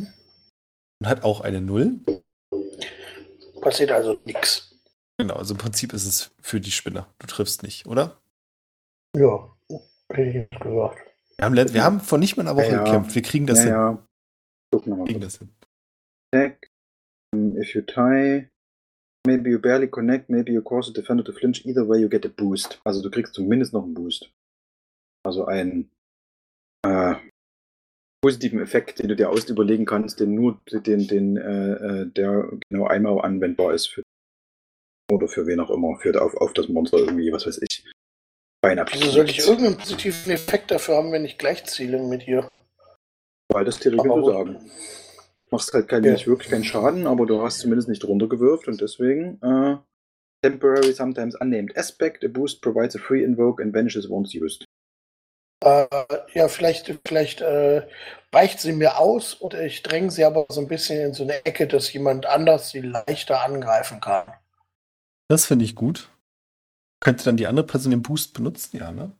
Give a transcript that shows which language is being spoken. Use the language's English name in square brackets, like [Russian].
[German] Mhm. Und hat auch eine 0. Passiert also nichts. Genau, also im Prinzip ist es für die Spinner. Du triffst nicht, oder? Ja, hätte ich jetzt gesagt. Wir haben vor nicht mal einer Woche gekämpft. Wir kriegen das hin. Ja. Gucken wir mal. Kriegen das hin. Check. [English] If you tie, maybe you barely connect, maybe you cause a defender to flinch. Either way, you get a boost. [German] Also du kriegst zumindest noch einen Boost. Also ein positiven Effekt, den du dir aus überlegen kannst, den nur der genau einmal anwendbar ist für oder für wen auch immer, führt auf das Monster irgendwie, was weiß ich. Wieso soll ich irgendeinen positiven Effekt dafür haben, wenn ich gleich ziele mit ihr? Weil das theoretisch würde sagen. Du machst halt nicht wirklich keinen Schaden, aber du hast zumindest nicht runtergewirft und deswegen [English] Temporary sometimes unnamed aspect. A boost provides a free invoke and vanishes once used. [German] Ja, vielleicht weicht sie mir aus oder ich dränge sie aber so ein bisschen in so eine Ecke, dass jemand anders sie leichter angreifen kann. Das finde ich gut. Könnte dann die andere Person den Boost benutzen, ja, ne?